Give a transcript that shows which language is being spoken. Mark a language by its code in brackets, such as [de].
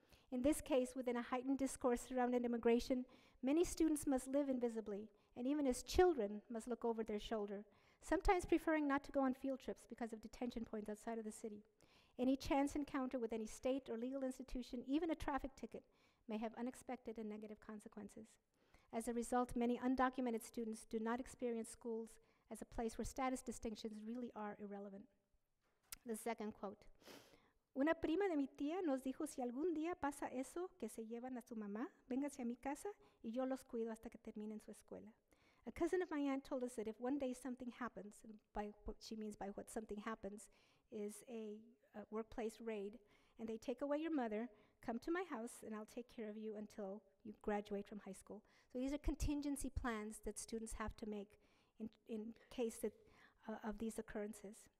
[en] In this case, within a heightened discourse surrounding immigration, many students must live invisibly, and even as children must look over their shoulder, sometimes preferring not to go on field trips because of detention points outside of the city. Any chance encounter with any state or legal institution, even a traffic ticket, may have unexpected and negative consequences. As a result, many undocumented students do not experience schools as a place where status distinctions really are irrelevant. The second quote. [es] Una prima de mi tía nos dijo, si algún día pasa eso, que se llevan a su mamá, véngase a mi casa, y yo los cuido hasta que terminen su escuela. [en] A cousin of my aunt told us that if one day something happens, and by what she means by what something happens, is a workplace raid, and they take away your mother, come to my house, and I'll take care of you until you graduate from high school. So these are contingency plans that students have to make in case that, of these occurrences.